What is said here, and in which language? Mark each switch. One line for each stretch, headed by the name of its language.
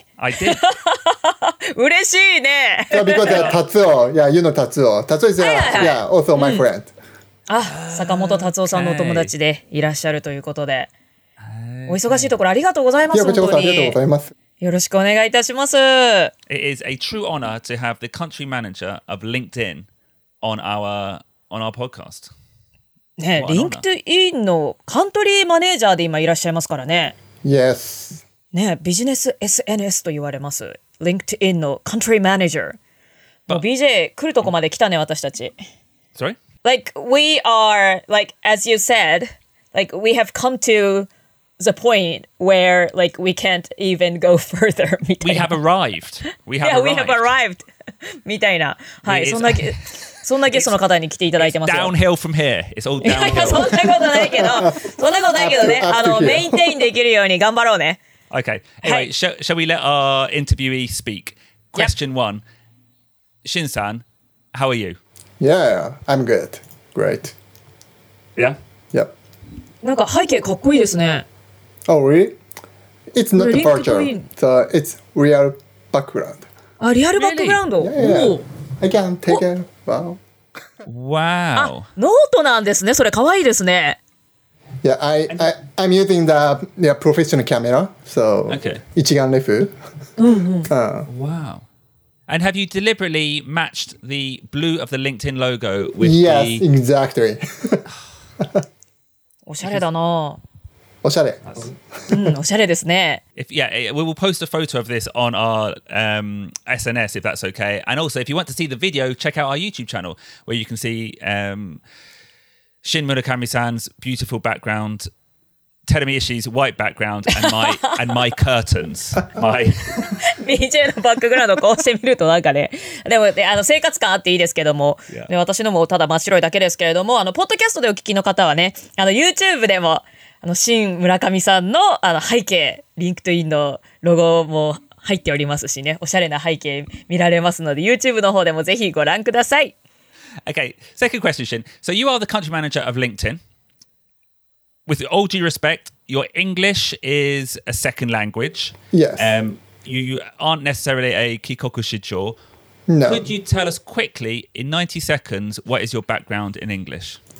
English: I did.
Japanese: 嬉しいね。
English: Yeah, because Tatsuo. Yeah, you know Tatsuo. Tatsuo is yeah, also my friend.
Japanese: あ、坂本達夫さんのお友達でいらっしゃるということで、お忙しいところありがとうございます。本当に。いや、こちらこそありがとうございます。よろしくお願いいたします。
English: It is a true honor to have the country manager of LinkedIn on our podcast.
Japanese: ね、LinkedIn のカントリーマネージャーで今いらっしゃいますからね。
English: Yes.
Japanese: ね、ビジネス SNS と言われます。LinkedIn のカントリーマネージャー。もう BJ 来るとこまで来たね、私たち。
English: Sorry? Like, we are, like, as you said, like, we have come to... the point where like we can't even go further みたいな。 We have arrived. We have arrived. Yeah, we have arrived. みたいな。
Japanese: はい、そんなゲストの方に来ていただいてますよ。
English: Downhill from here. It's all downhill.
Japanese: いやそんなことないけど、そんなことないけどね。あのメインテインできるように頑張ろうね。
English: Okay. Anyway,、はい、shall we let our interviewee speak? Question、yep. one. Shin-san, how are you? Yeah, I'm good. Great. Yeah. Yep.
Japanese: なんか背景かっこいいですね。
English: Oh, really? It's not the virtual, so it's real background.
Japanese: あ、リアルバックグラウンド。
English: Yeah, yeah. I can take it. Wow. Wow.
Japanese: ノートなんですね。それかわいいですね。
English: Yeah, I'm using the yeah, professional camera, so 一眼レフ。 Wow. And have you deliberately matched the blue of the LinkedIn logo with the... Yes, exactly.
Japanese: おしゃれだな。おしゃれ。うん、おしゃれですね。
English: If, yeah, we will post a photo of this on our SNS if that's okay. And also, if you want to see the video, check out our YouTube channel where you can see Shin Murakami-san's beautiful background, Terumi Ishii's white background, and my curtains. My
Japanese: BJ のバックグラウンドこうしてみるとなんかね、でもあの生活感あっていいですけども、yeah. 私のもただ真っ白いだけですけれども、あのポッドキャストでお聞きの方はね、あの YouTube でもあの新村上さん の, あの背景リンクトインのロゴも入っておりますしね、おしゃれな背景見られますので YouTube の方でもぜひご覧ください。
English: Okay, second question, Shin. So you are the country manager of LinkedIn. With all due respect, your English is a second language. Yes. You aren't necessarily a Kikoku Shicho. No. Could you tell us quickly, in 90 seconds, what is your background in English?